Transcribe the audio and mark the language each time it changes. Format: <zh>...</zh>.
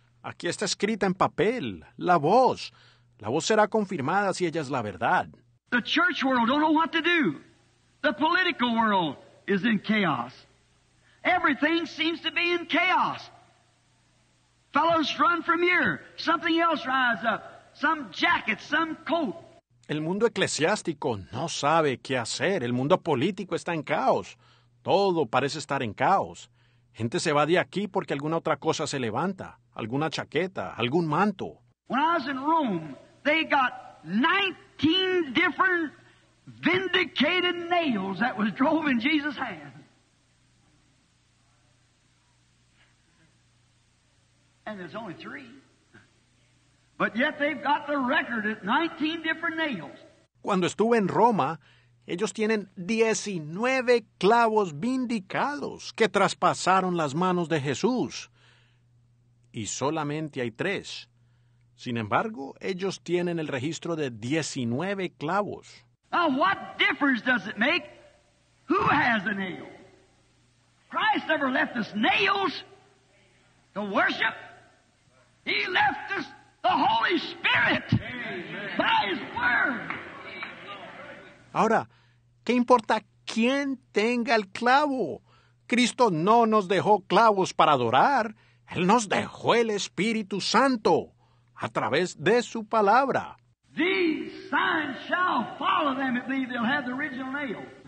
<es>Aquí está escrita en papel. La voz será confirmada si ella es la verdad.</es> <en>The church world don't know what to do. The political world is in chaos. Everything seems to be in chaos. Fellows run from here. Something else rises up. Some jacket, some coat.</en> <es>El mundo eclesiástico no sabe qué hacer. El mundo político está en caos. Todo parece estar en caos. Gente se va de aquí porque alguna otra cosa se levanta. Alguna chaqueta, algún manto.</es> <en>When I was in Rome, they got 19 different vindicated nails that was drove in Jesus' hand. And there's only three. But yet they've got the record at 19 different nails.</en> <es>Cuando estuve en Roma, ellos tienen 19 clavos vindicados que traspasaron las manos de Jesús. Y solamente hay tres. Sin embargo, ellos tienen el registro de 19 clavos.</es> <en>Now, what difference does it make? Who has a nail? Christ never left us nails to worship. He left us the Holy Spirit. Amen. By His Word.</en> <es>Ahora, ¿qué importa quién tenga el clavo? Cristo no nos dejó clavos para adorar. Él nos dejó el Espíritu Santo a través de su palabra.</es> <en>These signs shall follow them if they'll have the original nail.</en>